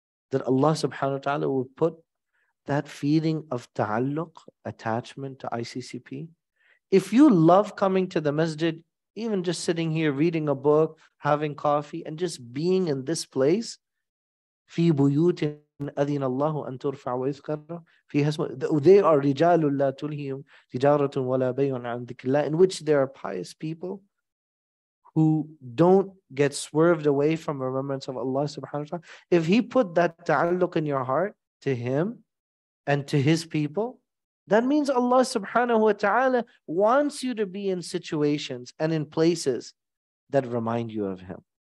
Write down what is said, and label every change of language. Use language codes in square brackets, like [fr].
[en] That Allah subhanahu wa ta'ala would put that feeling of ta'alluq, attachment to ICCP? If you love coming to the masjid, even just sitting here, reading a book, having coffee, and just being in this place, [ar] في بيوت أذن الله أن ترفع ويذكر فيها اسمه. [en] They are [ar] رجال لا تلهيهم تجارة ولا بيع عن ذكر الله. [en] In which there are pious people who don't get swerved away from remembrance of Allah subhanahu wa ta'ala. If he put that ta'alluq in your heart to him and to his people, that means Allah subhanahu wa ta'ala wants you to be in situations and in places that remind you of him.